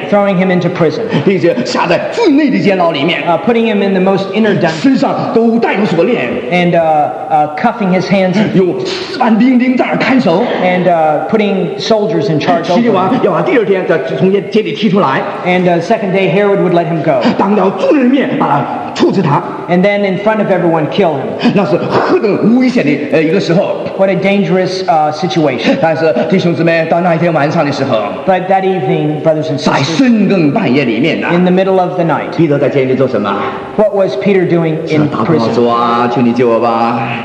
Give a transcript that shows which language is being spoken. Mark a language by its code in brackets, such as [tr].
[en] Throwing him into prison. [zh] 并且下在最内的监牢里面。 [en] Putting him in the most inner dungeon. [zh] 身上都带有锁链。 [en] And cuffing his hands. [zh] 有四万兵丁在那看守。 [en] And putting soldiers in charge. [zh] 希律王要把第二天再从监里踢出来。 [en] And the second day Herod would let him go. [zh] 当着众人面。把处置他。 [en] And then in front of everyone, kill him. [zh] 那是何等危险的一个时候。 [en] What a dangerous situation. [zh] 但是弟兄姊妹，到那一天晚上的时候。 [en] But that evening, brothers and sisters. [zh] 在深更半夜里面呢。 [en] In the middle of the night. [zh] 彼得在监里做什么？ [en] What was Peter doing in prison? [zh] 祷告说啊，求你救我吧。